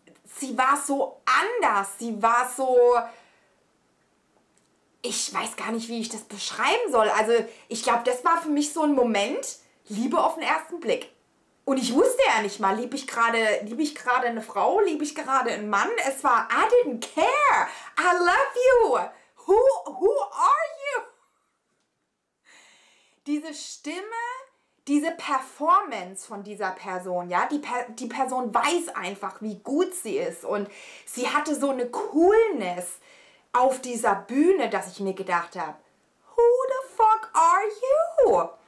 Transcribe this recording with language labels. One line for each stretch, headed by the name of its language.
German: Sie war so anders, sie war so, ich weiß gar nicht, wie ich das beschreiben soll. Also ich glaube, das war für mich so ein Moment, Liebe auf den ersten Blick. Und ich wusste ja nicht mal, liebe ich gerade eine Frau, liebe ich gerade einen Mann. Es war,
English: I didn't care, I love you, who are you?
German: Diese Stimme, diese Performance von dieser Person, ja, die Person weiß einfach, wie gut sie ist. Und sie hatte so eine Coolness auf dieser Bühne, dass ich mir gedacht habe,
English: who the fuck are you?